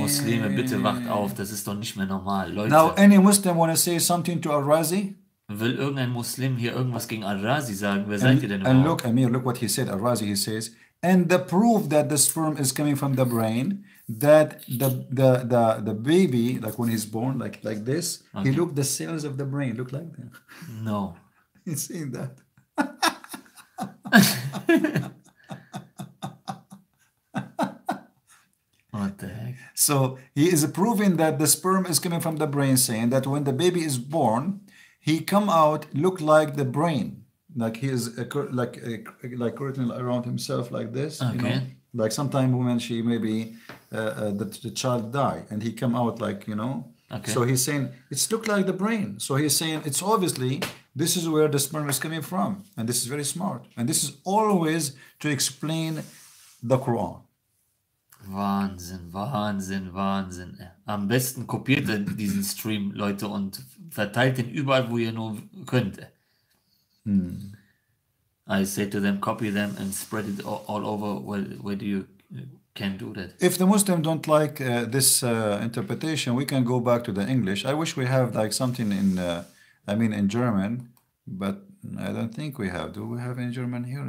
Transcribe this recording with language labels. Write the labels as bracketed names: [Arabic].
[German] Muslime, bitte wacht auf, das ist doch nicht mehr normal, Leute. [English] Now, any Muslim want to say something to Al-Razi? [German] Will irgendein Muslim hier irgendwas gegen Al-Razi sagen? Wer seid ihr denn überhaupt? [English] And look, Amir, look what he said, Al-Razi, he says, and the proof that the sperm is coming from the brain, that the baby, like when he's born, like this, okay, he looked, the cells of the brain look like that. No. He's saying that. So he is proving that the sperm is coming from the brain, saying that when the baby is born, he come out look like the brain, like he is like curtain around himself like this. Okay. You know? Like sometime when she maybe the child die and he come out like, you know. Okay. So he's saying it's look like the brain. So he's saying it's obviously this is where the sperm is coming from, and this is very smart, and this is always to explain the Quran. [German] Wahnsinn, Wahnsinn, Wahnsinn. Am besten kopiert diesen Stream, Leute, und verteilt den überall, wo ihr nur könnt. Hmm. [English] I say to them, copy them and spread it all over where do you can do that. If the Muslim don't like this interpretation, we can go back to the English. I wish we have like something in German, but I don't think we have. Do we have in German here?